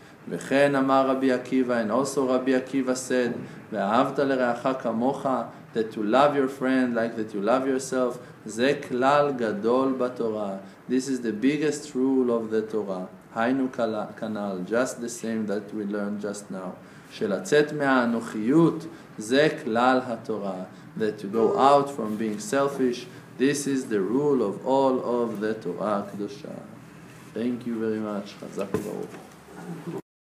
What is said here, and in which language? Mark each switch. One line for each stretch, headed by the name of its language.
Hebrew: וכן אמר רבי עקיבא,
English: and also רבי עקיבא said,
Hebrew: ואהבת לרעך כמוך,
English: that to love your friend like that you love yourself,
Hebrew: זה כלל גדול בתורה.
English: This is the biggest rule of the Torah.
Hebrew: היינו כנל,
English: just the same that we learned just now.
Hebrew: שלצאת מהאנוכיות, זה כלל התורה.
English: That to go out from being selfish, this is the rule of all of the Torah Kedoshah. Thank you very much. Chazak Baruch.